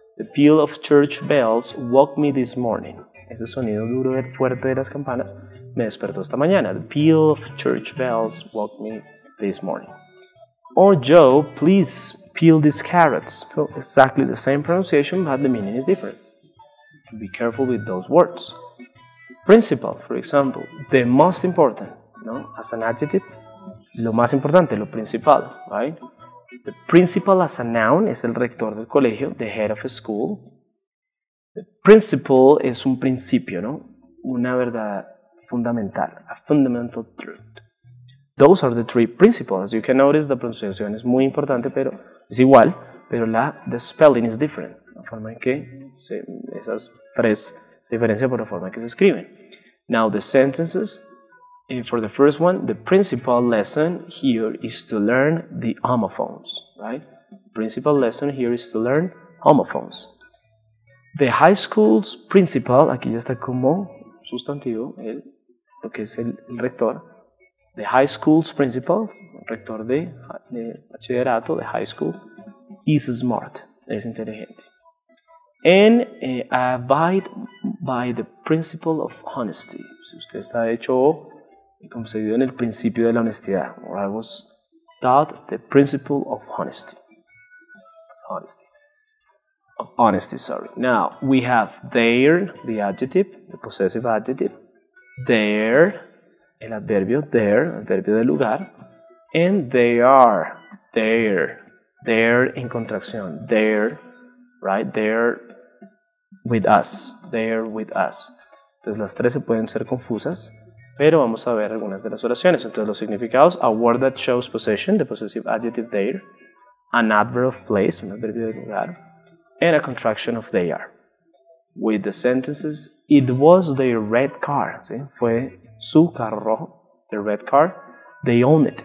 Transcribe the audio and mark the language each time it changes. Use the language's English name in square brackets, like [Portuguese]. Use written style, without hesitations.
[English] The peel of church bells woke me this morning. [Spanish] Ese sonido duro, fuerte de las campanas me despertó esta mañana. [English] The peel of church bells woke me this morning. Or Joe, please peel these carrots. So exactly the same pronunciation, but the meaning is different. Be careful with those words. Principal, for example, the most important, no? As an adjective, [Spanish] lo más importante, lo principal, [English] right? The principal as a noun [Spanish] es el rector del colegio, [English] the head of a school. The principal [Spanish] es un principio, no? Una verdad fundamental, [English] a fundamental truth. Those are the three principles. As you can notice, the pronunciation is [Spanish] muy importante, pero es igual, pero [English] the spelling is different. [Spanish] La forma en que esas tres se diferencian por la forma en que se escriben. [English] Now the sentences, for the first one, the principal lesson here is to learn the homophones, right? The principal lesson here is to learn homophones. The high school's principal, [Spanish] aquí ya está como sustantivo, lo que es el rector. The high school's principal, rector de bachillerato, de high school, [English] is smart, [Spanish] es inteligente. [English] And abide by the principle of honesty. [Spanish] Si usted está hecho y concedido en el principio de la honestidad. [English] Or I was taught the principle of honesty. Honesty. Honesty, sorry. Now, we have there, the adjective, the possessive adjective. There, [Spanish] el adverbio [English] there, [Spanish] el adverbio de lugar. [English] And they are, there. There in contracción. There, right? There with us. There with us. [Spanish] Entonces, las tres se pueden ser confusas, pero vamos a ver algunas de las oraciones. Entonces, los significados. [English] A word that shows possession, the possessive adjective there. An adverb of place, [Spanish] un adverbio de lugar. [English] And a contraction of they are. With the sentences, it was their red car. [Spanish] ¿Sí? Fue su carro rojo, [English] their red car. They own it.